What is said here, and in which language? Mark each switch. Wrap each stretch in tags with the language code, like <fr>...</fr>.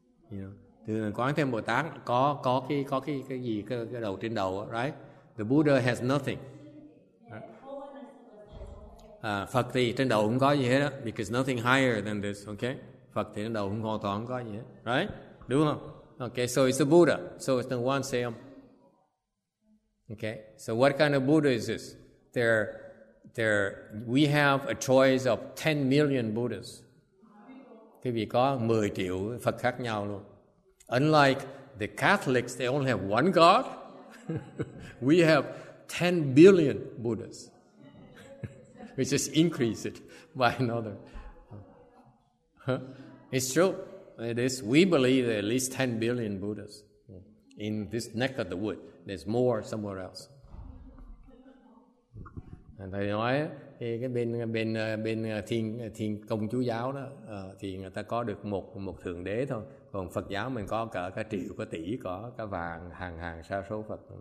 <vi>You know, từ Quán Thế Âm Bồ Tát có cái đầu trên đầu, right?</vi> <en>The Buddha has nothing.</en> <vi>Phật thì trên đầu không có gì hết,</vi> <en>because nothing higher than this, okay?</en> <vi>Phật thì trên đầu không hoàn toàn không có gì hết, right? Đúng không?</vi> <en>Okay, so it's the Buddha. So it's the one Seom. Okay, so what kind of Buddha is this? There, we have a choice of 10 million Buddhas.</en> <vi>Quý vị có 10 triệu Phật khác nhau luôn.</vi> <en>Unlike the Catholics, they only have one God. We have 10 billion Buddhas. We just increase it by another. It's true. We believe there are at least 10 billion Buddhas in this neck of the wood. There's more somewhere else.</en> <vi>Thầy nói cái bên thiền công chú giáo đó thì người ta có được một thượng đế thôi, còn Phật giáo mình có cả triệu, có tỷ, có cả vàng, hàng sa số Phật.</vi>